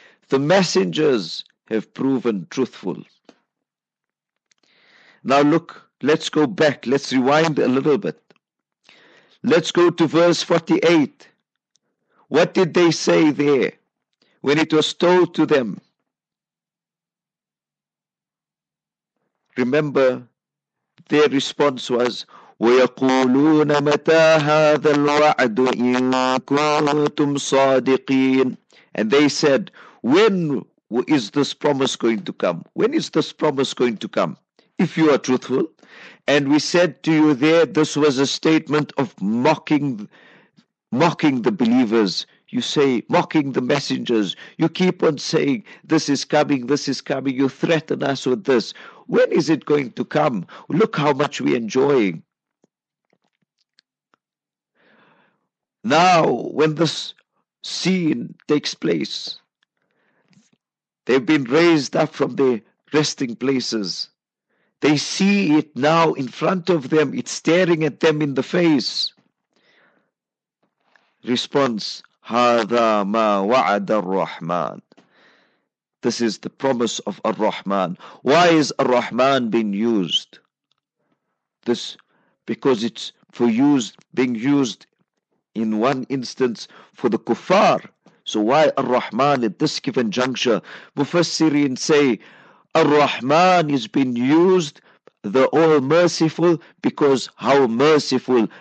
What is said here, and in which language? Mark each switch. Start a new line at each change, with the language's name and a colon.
English: The messengers have proven truthful. Now look, let's go back. Let's rewind a little bit. Let's go to verse 48. What did they say there when it was told to them? Remember, their response was,
Arabic: وَيَقُولُونَ مَتَى هَذَا الْوَعْدُ إِن كُنْتُمْ صَادِقِينَ.
English: And they said, when is this promise going to come? When is this promise going to come? If you are truthful. And we said to you there, this was a statement of mocking the believers. You say, mocking the messengers. You keep on saying, this is coming, this is coming. You threaten us with this. When is it going to come? Look how much we're enjoying. Now, when this scene takes place, they've been raised up from their resting places. They see it now in front of them. It's staring at them in the face. Response,
Arabic: هَذَا مَا وَعَدَ الرَّحْمَنِ.
English: This is the promise of Ar-Rahman. Why is Ar-Rahman being used? This, because it's for used, being used in one instance for the kuffar. So why Ar-Rahman at this given juncture? Mufassirin say Ar-Rahman is being used, the All Merciful, because how merciful.